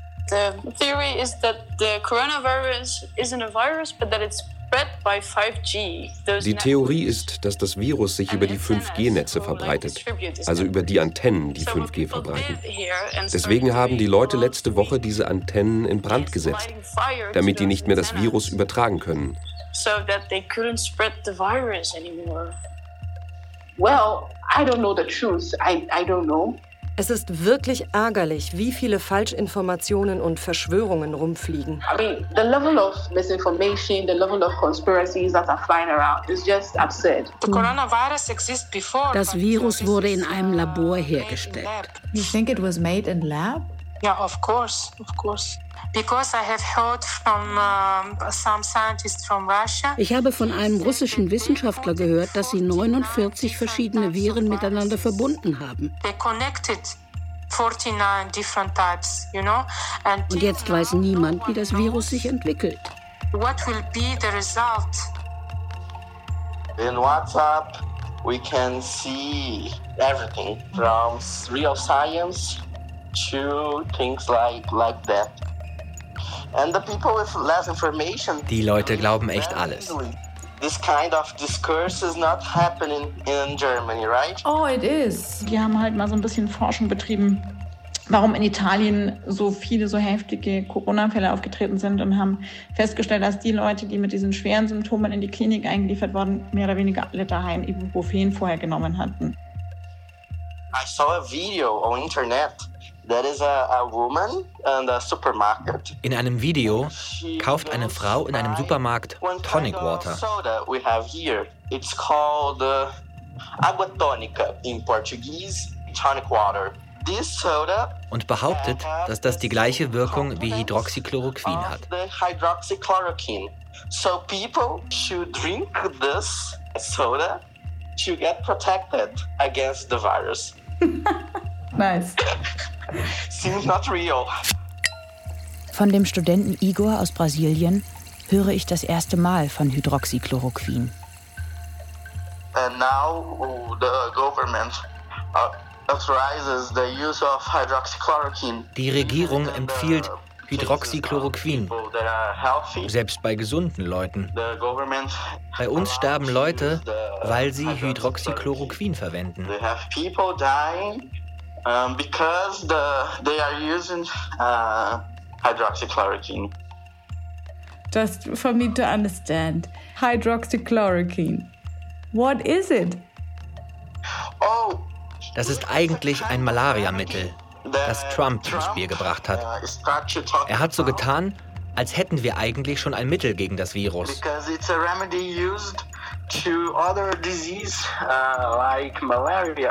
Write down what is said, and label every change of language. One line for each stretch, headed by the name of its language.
English: The theory is that the coronavirus isn't a virus, but that it's spread by 5G.
German: Die Theorie ist, dass das Virus sich über die 5G-Netze verbreitet, also über die Antennen, die 5G verbreiten. Deswegen haben die Leute letzte Woche diese Antennen in Brand gesetzt, damit die nicht mehr das Virus übertragen können.
English: So that they couldn't spread the virus anymore. Well, I don't know the truth. I don't know.
German: Es ist wirklich ärgerlich, wie viele Falschinformationen und Verschwörungen rumfliegen.
English: I mean, the level of misinformation, the level of conspiracies that are flying around is just absurd. The coronavirus exists before.
German: Das Virus wurde in einem Labor hergestellt.
English: You think it was made in lab? Yeah, of course. Because I have heard from some scientists from Russia.
German: Ich habe von einem russischen Wissenschaftler gehört, dass sie 49 verschiedene Viren miteinander verbunden haben.
English: They connected 49 different types, you know?
German: Und jetzt weiß niemand, wie das Virus sich entwickelt.
English: What will be the result? In WhatsApp we can see everything from real science to things like that.
German: Die Leute glauben echt alles.
English: This kind of discourse is not happening in Germany, right? Oh, it is.
German: Die haben halt mal so ein bisschen Forschung betrieben, warum in Italien so viele, so heftige Corona-Fälle aufgetreten sind und haben festgestellt, dass die Leute, die mit diesen schweren Symptomen in die Klinik eingeliefert wurden, mehr oder weniger alle daheim Ibuprofen vorher genommen hatten.
English: I saw a video on internet. That is a woman in a supermarket.
German: In einem Video kauft eine Frau in einem Supermarkt Tonic Water.
English: Soda we have here. It's called Agua Tonica in Portuguese, Tonic Water. This soda
German: und behauptet, dass das die gleiche Wirkung wie Hydroxychloroquin hat.
English: The hydroxychloroquine. So people should drink this soda to get protected against the virus. Nice. Seems not real.
German: Von dem Studenten Igor aus Brasilien höre ich das erste Mal von Hydroxychloroquin.
English: And now the government authorizes the use of hydroxychloroquine.
German: Die Regierung empfiehlt Hydroxychloroquin, selbst bei gesunden Leuten. Bei uns sterben Leute, weil sie Hydroxychloroquin verwenden.
English: They have people dying because they are using hydroxychloroquine. Just for me to understand, hydroxychloroquine, what is it? Oh,
German: das ist eigentlich ein Malariamittel, das Trump ins Spiel gebracht hat. Er hat so getan, als hätten wir eigentlich schon ein Mittel gegen das Virus.
English: Because it's a remedy used to other disease like malaria.